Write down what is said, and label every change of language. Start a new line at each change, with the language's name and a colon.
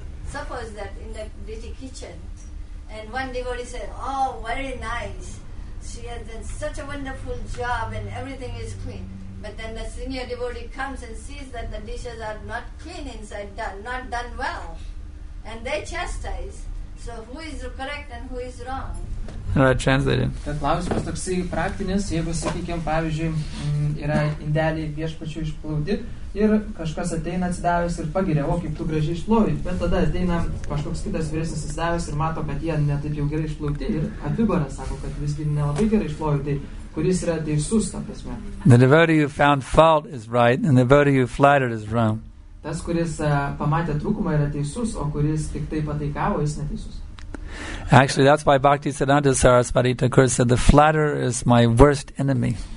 English: Suppose that in the dirty kitchen, and one devotee said, oh, very nice. She has done such a wonderful job and everything is clean. But then the senior devotee comes and sees that the dishes are not clean inside, not done well. And they chastise. So who is correct and who is wrong? Translated.
Lithuanian: Klausimas toksai praktinis, jeigu, sakykime, pavyzdžiui, yra indeliai viešpačių išplauti ir kažkas ateina atsidavęs ir pagiria, o kaip tu gražiai išplauji, bet tada ateina kažkoks kitas vyresnis atsidavęs ir mato, kad jie netaip jau gerai išplauti ir apibara, sako, kad visgi nelabai gerai išplauji, tai kuris yra teisus, ta prasme.
English: The devotee who found fault is right and the devotee who flattered is wrong.
Lithuanian: Tas, kuris pamatė trūkumą, yra teisus, o kuris tik tai pataikavo, jis neteisus.
English: Actually, that's why Bhakti Siddhanta Sarasvati Thakur said, the flatterer is my worst enemy.